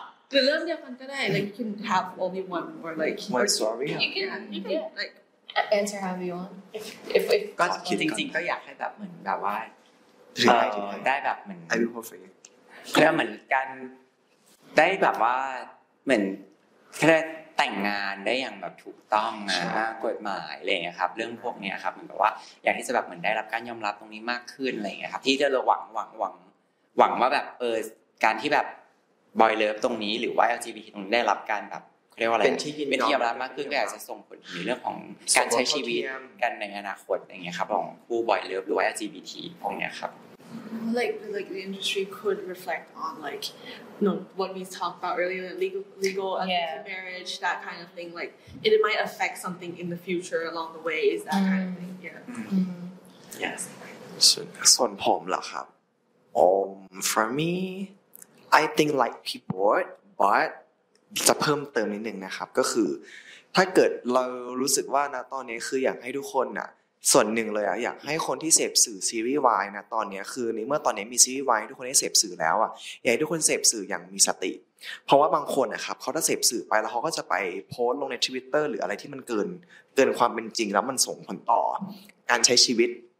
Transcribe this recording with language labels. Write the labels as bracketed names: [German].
[English] You can have only one more, like... One story? You can answer however you want. If God, I think I would like to be like... [Thai] ได้แบบเหมือน ไอวิโฮฟรี ก็เหมือนกันได้แบบว่าเหมือนแค่แต่งงานได้อย่างแบบถูกต้องนะกฎหมายอะไรเงี้ยครับเรื่องพวกเนี้ยครับเหมือนแบบว่าอยากที่จะแบบเหมือนได้รับการยอมรับตรงนี้มากขึ้นอะไรเงี้ยครับที่จะหวังว่าแบบการที่แบบบอยเลิฟตรงนี้หรือว่า LGBT ตรงนี้ได้รับการแบบเค้าเรียกว่าอะไร เป็นที่ ยอมรับมากขึ้นก็อาจจะส่งผลในเรื่องของการใช้ชีวิตกันในอนาคตอย่างเงี้ยครับของคู่บอยเลิฟหรือว่า LGBT พวกเนี้ยครับ [English] Like the industry could reflect on like, you know, what we talked about earlier, legal marriage, that kind of thing. Like it might affect something in the future along the way. Is that kind of thing? Yes. [Thai] ส่วนผมล่ะครับ [English] For me, I think like people, but [Thai] จะเพิ่มเติมนิดนึงนะครับก็คือถ้าเกิดเรารู้สึกว่านะตอนนี้คืออยากให้ทุกคนอ่ะส่วนหนึ่งเลยอ่ะอยากให้คนที่เสพสื่อซีรีส์วายนะตอนนี้คือในเมื่อตอนนี้มีซีรีส์วายทุกคนได้เสพสื่อแล้วอ่ะอยากให้ทุกคนเสพสื่ออย่างมีสติเพราะว่าบางคนนะครับเขาถ้าเสพสื่อไปแล้วเขาก็จะไปโพสต์ลงใน Twitter หรืออะไรที่มันเกินความเป็นจริงแล้วมันส่งผลต่อการใช้ชีวิต